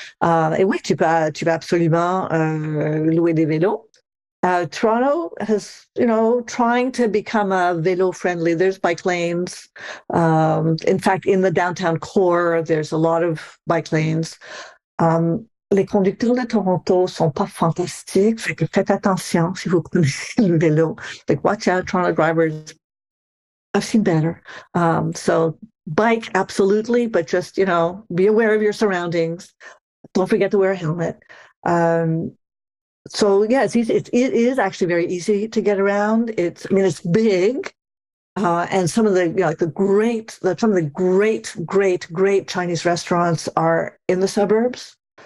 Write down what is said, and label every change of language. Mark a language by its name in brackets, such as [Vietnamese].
[French] Et oui, tu peux absolument louer des vélos. [English] Toronto has, you know, trying to become a vélo friendly. There's bike lanes. In fact, in the downtown core, there's a lot of bike lanes. [French] Les conducteurs de Toronto sont pas fantastiques. Fait que faites attention si vous prenez le vélo. [English] Like, watch out, Toronto drivers. I've seen better. So bike, absolutely, but just, you know, be aware of your surroundings. Don't forget to wear a helmet. So yeah, it is actually very easy to get around. It's big, and some of the, you know, like the great Chinese restaurants are in the suburbs.